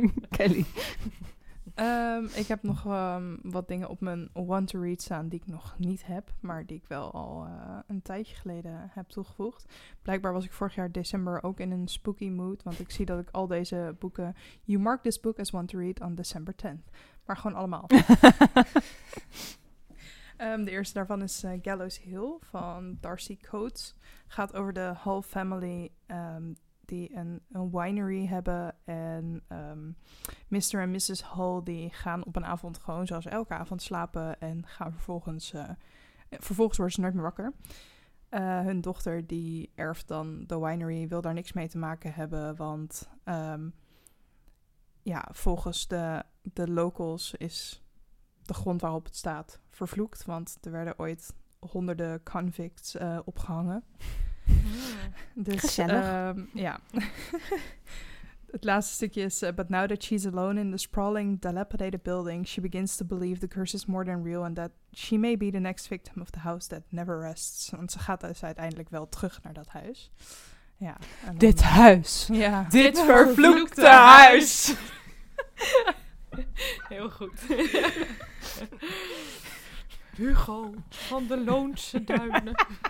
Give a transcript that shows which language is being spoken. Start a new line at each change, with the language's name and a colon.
Dutch: Kelly. Ik heb nog wat dingen op mijn want to read staan die ik nog niet heb. Maar die ik wel al een tijdje geleden heb toegevoegd. Blijkbaar was ik vorig jaar december ook in een spooky mood. Want ik zie dat ik al deze boeken...
English: You mark this book as want to read on December 10th.
Dutch: Maar gewoon allemaal. de eerste daarvan is Gallows Hill van Darcy Coates. Gaat over de Hull family die een winery hebben. En Mr. en Mrs. Hull die gaan op een avond gewoon zoals elke avond slapen. En gaan vervolgens worden ze nooit meer wakker. Hun dochter die erft dan de winery, wil daar niks mee te maken hebben. Want ja, volgens de locals is... de grond waarop het staat vervloekt, want er werden ooit honderden convicts opgehangen. Mm. Dus, gezellig. Ja. Het laatste stukje is:
English: but now that she's alone in the sprawling, dilapidated building, she begins to believe the curse is more than real and that she may be the next victim of the house that never rests.
Dutch: Want ze gaat dus uiteindelijk wel terug naar dat huis. Ja. En dit dan, huis. Ja. Dit vervloekte huis. Heel goed. Hugo van de Loonse Duinen.